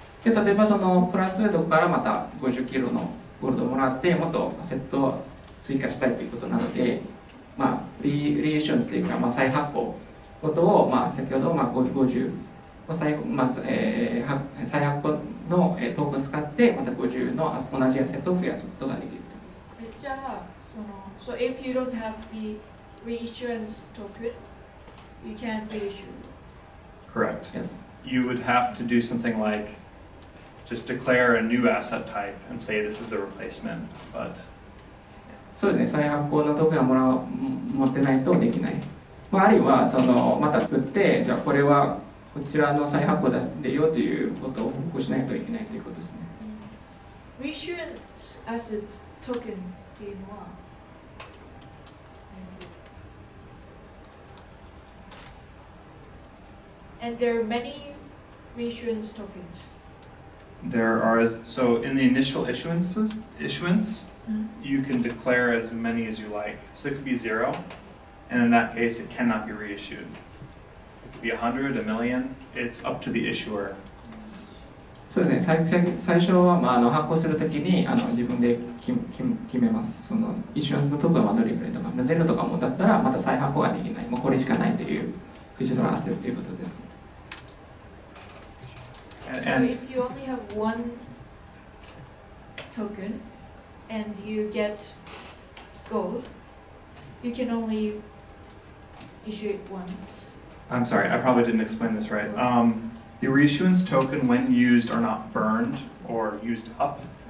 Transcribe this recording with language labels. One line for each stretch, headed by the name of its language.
Japanese: で、例えばそのプラスどこからまた50キロのゴールドをもらって、もっとアセットを追加したいということなので、まあ、reissuance というか、まあ、再発行ことを、まあ、先ほどまあ50。まず、再発行の、トークンを使ってまた50の同じアセットを増やすことができるとじゃあその
English: So if you don't have the reissuance token you can't reissue Correct Yes You would have to do something like just declare a new asset type and say this is the replacement but
Japanese: そうですね再発行のトークンを持ってないとできない、まあ、あるいはそのまた作ってじゃあこれはこちらの再発行でよということを報告しないといけないということですね。
English: Reissuance asset token
Japanese: っていうのは、
English: and there are many reissuance tokens. There are so in the initial issuance, you can declare as many as you like. So it could be zero, and in that case, it cannot be reissued. Be 100, a million, it's up to the issuer.
Japanese: そうですね、最初は、まあ、あの発行するときにあの自分で決めます。その、イシュアンスのトークはどれぐらいとか、ゼロとかもだったら、また再発行ができない。もうこれしかないというデジタルアセットということです、ね。
English: So if you only have one token and you get gold, you can only issue it once. I'm sorry, I probably didn't explain this right. The reissuance token, when used, are not burned or used up.